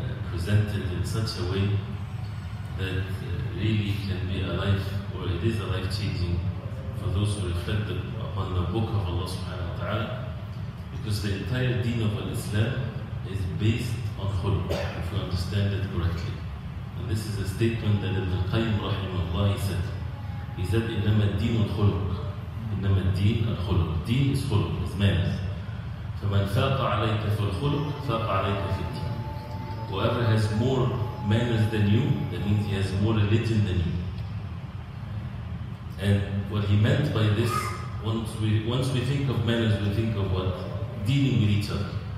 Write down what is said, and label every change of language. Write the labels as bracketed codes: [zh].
[en] presented in such a way that really can be a life, or it is a life changing for those who reflect upon the book of Allah subhanahu wa ta'ala, because the entire deen of Islam is based on khuluq, if you understand it correctly. And this is a statement that Ibn Qayyim rahimahullah said. He said, [ar] إِنَّمَا الدِّينُ الْخُلُقُ إِنَّمَا الدِّينُ الْخُلُقُ [en] Deen is [ar] خُلُقُ, [en] is manners. [ar] فَمَنْ فَاقَ عَلَيْكَ فِي الْخُلُقُ فَاقَ عَلَيْكَ فِي الدِّينُ [en] Whoever has more manners than you, that means he has more religion than you. And what he meant by this, once we think of manners, we think of what? Dealing with each other.